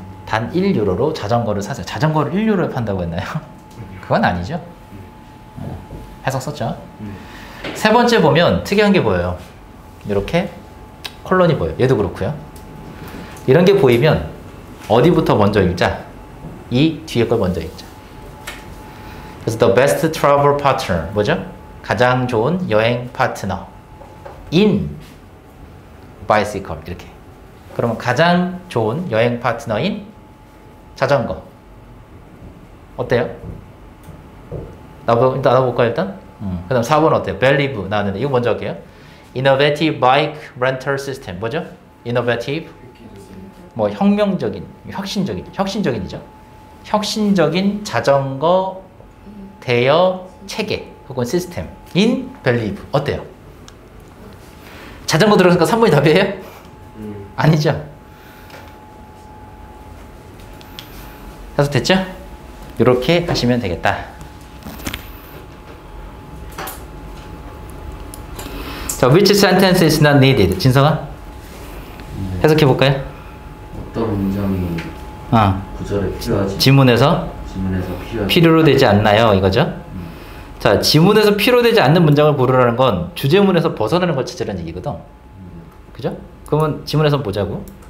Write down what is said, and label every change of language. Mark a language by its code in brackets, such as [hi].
[ko] 단 1유로로 자전거를 사세요. 자전거를 1유로에 판다고 했나요? 그건 아니죠. 해석 썼죠. 세 번째 보면 특이한 게 보여요. 이렇게 콜론이 보여요. 얘도 그렇고요. 이런 게 보이면 어디부터 먼저 읽자? 이 뒤에 걸 먼저 읽자. 그래서 [en] the best travel partner, [ko] 뭐죠? 가장 좋은 여행 파트너 [en] in bicycle, [ko] 이렇게. 그러면 가장 좋은 여행 파트너인 자전거. 어때요? 나눠볼까요, 일단? 그 다음 4번 어때요? Believe 나왔는데, 이거 먼저 할게요. [en] Innovative bike rental system, [ko] 뭐죠? Innovative, 뭐 혁명적인, 혁신적인, 혁신적인이죠? 혁신적인 자전거 대여 체계 혹은 시스템 [en] in Believe, [ko] 어때요? 자전거 들어가니까 3번이 답이에요? 아니죠? 해석 됐죠? 이렇게 하시면 되겠다. 자, [en] which sentence is not needed? [ko] 진성아? 해석해 볼까요? 어떤 문장이 아, 구절에 필요하지? 지문에서 필요로 되지 않나요? 이거죠? 자, 지문에서 필요되지 않는 문장을 고르라는 건 주제문에서 벗어나는 걸 찾으라는 얘기거든. 그죠? 그러면 지문에서 보자고.